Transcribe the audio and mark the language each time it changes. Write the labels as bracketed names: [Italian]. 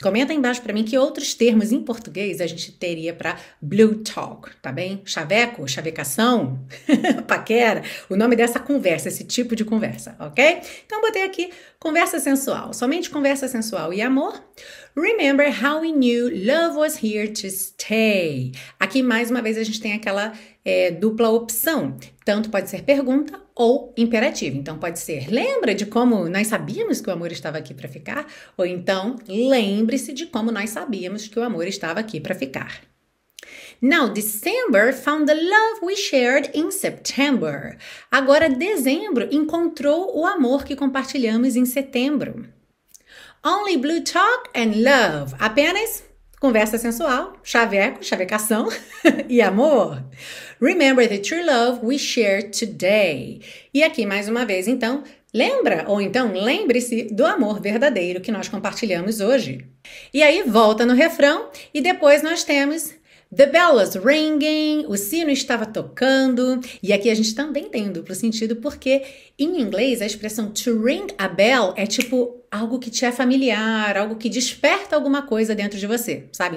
[Portuguese] Comenta aí embaixo para mim que outros termos em português a gente teria para blue talk, tá bem? Chaveco, chavecação, paquera, o nome dessa conversa, esse tipo de conversa, ok? Então eu botei aqui conversa sensual, somente conversa sensual e amor. [English] Remember how we knew love was here to stay. [Portuguese] Aqui mais uma vez a gente tem aquela dupla opção, tanto pode ser pergunta ou imperativo. Então pode ser: lembra de como nós sabíamos que o amor estava aqui para ficar? Ou então lembre-se de como nós sabíamos que o amor estava aqui para ficar. [English] Now, December found the love we shared in September. [Portuguese] Agora, dezembro encontrou o amor que compartilhamos em setembro. [English] Only blue talk and love. [Portuguese] Apenas conversa sensual, chaveco, chavecação e amor. [English] Remember the true love we share today. [Portuguese] E aqui mais uma vez, então, lembra ou então lembre-se do amor verdadeiro que nós compartilhamos hoje. E aí volta no refrão e depois nós temos [English] The bell was ringing, [Portuguese] o sino estava tocando. E aqui a gente também tem um duplo sentido, porque em inglês a expressão to ring a bell é tipo algo que te é familiar, algo que desperta alguma coisa dentro de você, sabe?